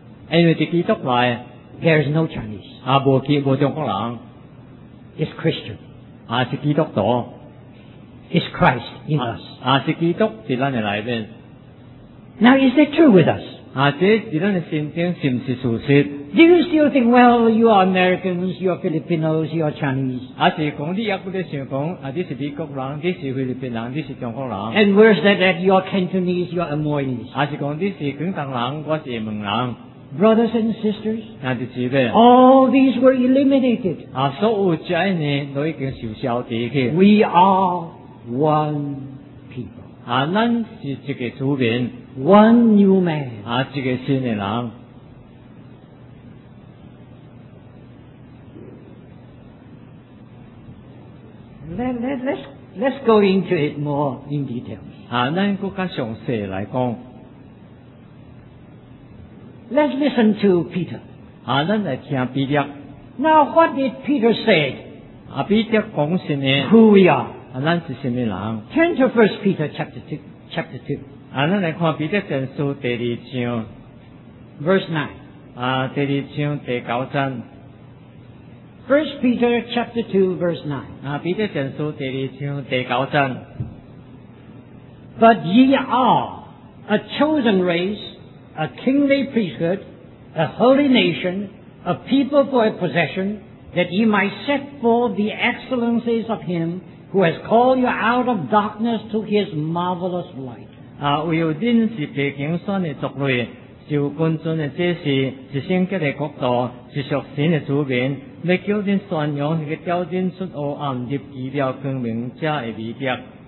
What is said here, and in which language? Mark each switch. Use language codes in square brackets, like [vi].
[nan] 因为在基督里 [en] ，There is no Chinese。 [nan] 啊，无中国人 [en] ，It's Christian。 [nan] 啊，是基督徒 [en] ，It's Christ in us。 [nan] 啊，是基督在咱的里边。 [en] Now is that true with us？ [nan] 啊，这在咱的心中是不是属实 [en] ？Do you still think, well, you are Americans, you are Filipinos, you are Chinese？ [nan] 啊，是讲你也不得想讲，啊，你是美国人，你是菲律宾人，你是中国人。 [en] And worse than that, you are Cantonese, you are Amoyese。 [nan] 啊，是讲你是广东人，我是厦门人。 [en] Brothers and sisters， [nan] 啊，弟兄们 [en] ，All these were eliminated。 [nan] 啊，所有这一呢都已经消消除去。 [en] We are one people。 [nan] 啊，咱是一个族群。 [en] One new man. [nan] 啊，一个新的人。 [en] Let's go into it more in detail. [nan] 啊，咱搁较详细来讲。 [en] Let's listen to Peter. [nan] 啊，咱来听彼得。 [en] Now what did Peter say? [nan] 啊，彼得讲什么 [en] ？Who we are? [nan] 啊，咱是什么人 [en] ？Turn to First Peter chapter two. [nan] 啊，咱来看彼得前书第二章 [en] ，verse 9。 [nan] 啊，第二章第九节。 [en] First Peter chapter 2 verse 9。 [nan] 啊，彼得前书第二章第九节。 [en] But ye are a chosen race, a kingly priesthood, a holy nation, a people for a possession, that ye might set forth the excellencies of Him who has called you out of darkness to His marvelous light。 [nan] 唯有恁是被拣选的族类，受君尊的指示，是圣洁的国度，是属神的子民，要叫恁宣扬那个召恁出黑暗入奇妙光明者的美德。